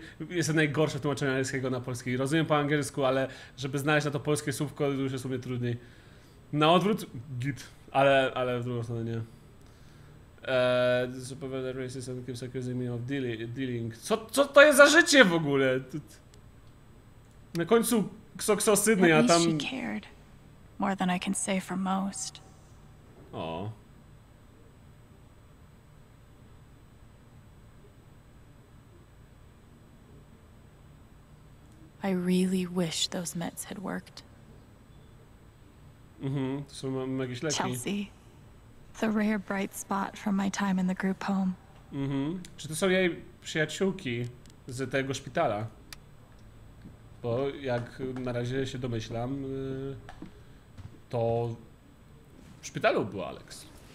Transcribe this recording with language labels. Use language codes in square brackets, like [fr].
[pl] Jestem najgorszy w tłumaczeniu angielskiego na polski. Rozumiem po angielsku, ale żeby znaleźć na to polskie słówko, to już jest sobie trudniej. Na odwrót, git. Ale w drugą stronę nie. [en] Supervisor racist and keeps accusing me of dealing. [pl] Co to jest za życie w ogóle? Na końcu kso Sydney, a tam... [en] More than I can say for most. O. I really wish those meds had worked. Mm-hmm. Chelsea, the rare bright spot from my time in the group home. Mm-hmm. [pl] Czy to są jej przyjaciółki z tego szpitala? Bo jak na razie się domyślam, to w szpitalu był Alex.